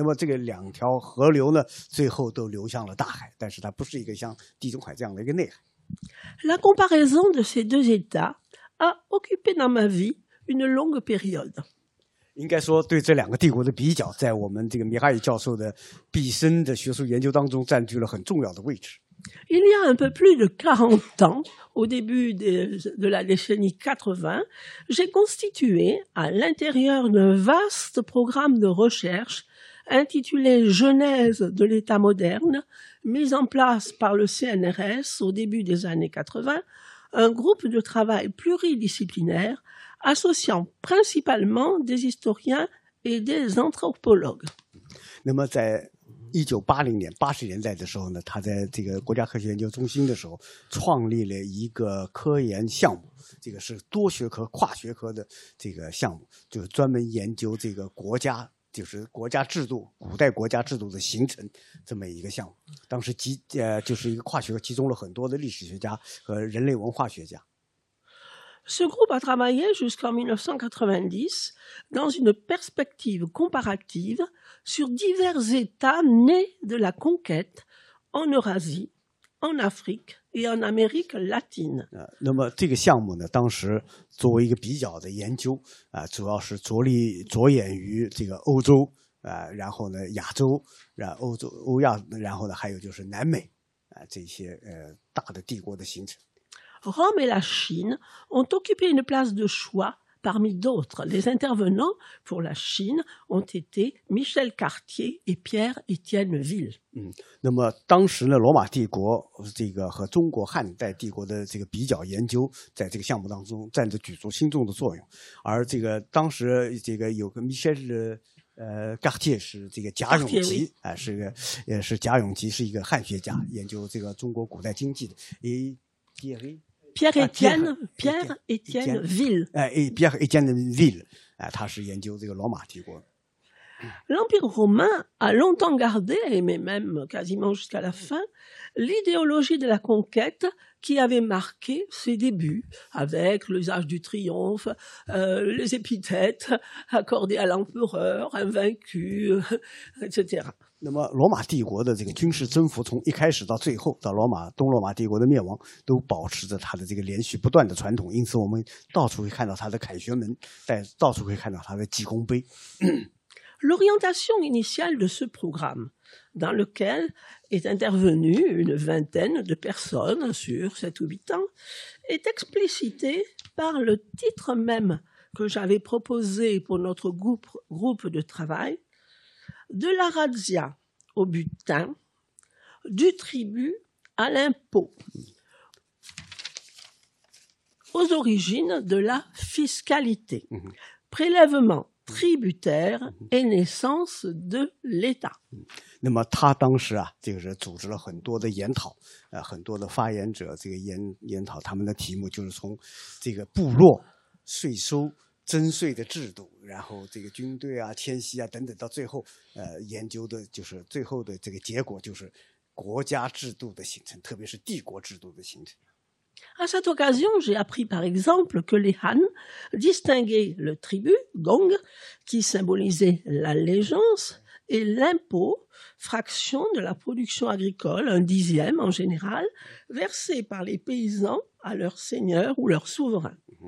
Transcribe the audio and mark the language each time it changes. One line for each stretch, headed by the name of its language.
Chinese: 那么这个两条河流呢，最后都流向了大海，但是它不是一个像地中海这样的一个内海。
French: La comparaison de ces deux États a occupé dans ma vie une longue période.
Chinese: 应该说，对这两个帝国的比较，在我们这个米哈伊教授的毕生的学术研究当中占据了很重要的位置。
French: Il y a un peu plus de 40 ans, au début de la décennie 80, j'ai constitué à l'intérieur d'un vaste programme de recherche intitulé Genèse de l'État moderne. Mise en place par le CNRS au début des années 80, un groupe de travail pluridisciplinaire associant principalement des historiens et des anthropologues.
Chinese: 那么在1980年80年代的时候呢，他在这个国家科学研究中心的时候创立了一个科研项目，这个是多学科跨学科的这个项目，就是专门研究这个国家。就是国家制度，古代国家制度的形成这么一个项目，当时就是一个跨学科，集中了很多的历史学家和人类文化学家。
French: Ce groupe a travaillé jusqu'en 1990 dans une perspective comparative sur divers États nés de la conquête en Eurasie, en Afrique et en Amérique latine.
Chinese: 那么这个项目呢，当时。作为一个比较的研究，主要是着眼于这个欧洲，然后呢亚洲，然后欧洲欧亚，然后呢还有就是南美，这些大的帝国的形成。
French: Rome et la Chine ont occupé une place de choix parmi d'autres. Les intervenants pour la Chine ont été Michel Cartier et Pierre-Étienne Ville.
Chinese: 那么当时呢，罗马帝国这个和中国汉代帝国的这个比较研究，在这个项目当中占着举足轻重的作用。而这个当时这个有个 Michel Cartier 是这个贾永吉，是贾永吉是一个汉学家，研究这个中国古代经济的。
French: Pierre-Étienne Ville,
Chinese: 他是研究这个罗马帝国。
French: L'Empire romain a longtemps gardé, mais même quasiment jusqu'à la fin, l'idéologie de la conquête qui avait marqué ses débuts avec l'usage du triomphe, les épithètes accordées à l'empereur, invaincu, etc.
Chinese: 那么罗马帝国的这个军事征服从一开始到最后到罗马东罗马帝国的灭亡都保持着它的这个连续不断的传统，因此我们到处会看到它的凯旋门，但到处会看到它的纪功碑。
French: L'orientation initiale de ce programme, dans lequel est intervenue une vingtaine de personnes sur 7 ou 8 ans, est explicitée par le titre même que j'avais proposé pour notre groupe de travail. De la razzia au butin, du tribut à l'impôt, aux origines de la fiscalité, prélèvement tributaire et naissance de l'État.
Chinese: 那么他当时啊，就是组织了很多的研讨，很多的发言者，这个研讨他们的题目就是从这个部落税收征税的制度，然后这个军队啊、迁徙啊等等，到最后研究的就是最后的这个结果就是国家制度的形成，特别是帝国制度的形成。
French: À cette occasion, j'ai appris par exemple que les Han distinguaient le tribut, gong, qui symbolisait l'allégeance, et l'impôt, fraction de la production agricole, un dixième en général, versé par les paysans à leur seigneur ou leur souverain.